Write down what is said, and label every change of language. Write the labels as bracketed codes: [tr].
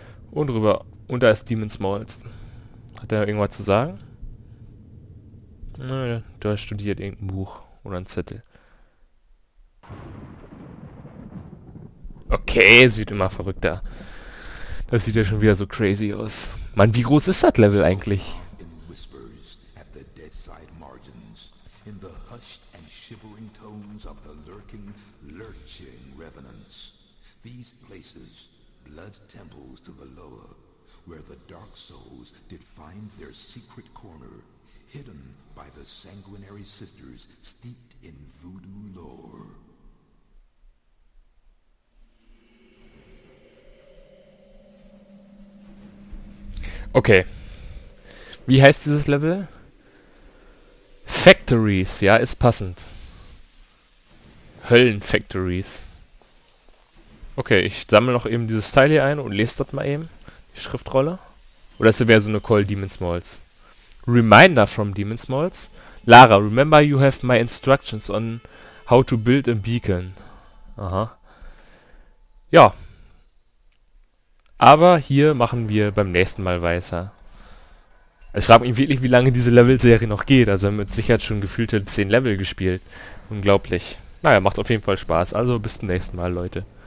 [de] Und rüber. Und da ist Demon's Maul. Hat er irgendwas zu sagen? Naja, du hast studiert irgendein Buch oder ein Zettel. Okay, sieht immer verrückter. Das sieht ja schon wieder so crazy aus. Mann, wie groß ist das Level eigentlich? [en] In whispers at the dead side margins, in the hushed and shivering tones of the lurking, lurching revenants. These places, blood temples to the lower. Where the dark souls did find their secret corner, hidden by the sanguinary sisters steeped in voodoo lore. [de] Okay. Wie heißt dieses Level? Factories, ja, ist passend. Höllenfactories. Okay, ich sammle noch eben dieses Teil hier ein und lese das mal eben. Schriftrolle? Oder es wäre so eine Call Demon's Maul's. [en] Reminder from Demon's Maul's. Lara, remember you have my instructions on how to build a beacon. [de] Aha. Ja. Aber hier machen wir beim nächsten Mal weiter. Ich frage mich wirklich, wie lange diese Level-Serie noch geht. Also wir haben mit Sicherheit schon gefühlte 10 Level gespielt. Unglaublich. Naja, macht auf jeden Fall Spaß. Also bis zum nächsten Mal, Leute.